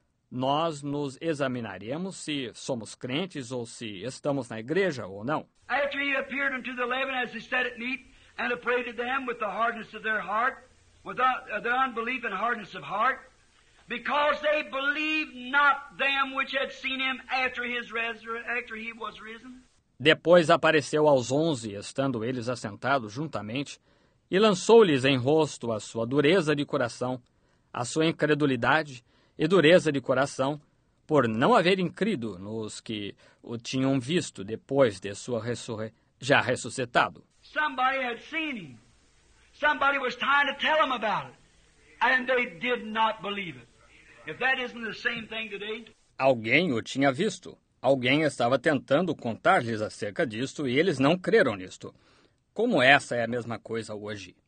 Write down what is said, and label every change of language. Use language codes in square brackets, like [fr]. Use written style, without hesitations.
[pt] Nós nos examinaremos se somos crentes ou se estamos na igreja ou não. [en] After he appeared unto the 11 as he sat at meat, and appeared to them with the hardness of their heart, with the unbelief and hardness of heart, because they believed not them which had seen him after he was risen. [pt] Depois apareceu aos 11, estando eles assentados juntamente, e lançou-lhes em rosto a sua dureza de coração, a sua incredulidade e dureza de coração, por não haverem crido nos que o tinham visto depois de sua já ressuscitado. [en] Somebody had seen him. Somebody was trying to tell him about it, and they did not believe it. If that isn't the same thing today. [pt] Alguém o tinha visto. Alguém estava tentando contar-lhes acerca disto e eles não creram nisto. Como essa é a mesma coisa hoje?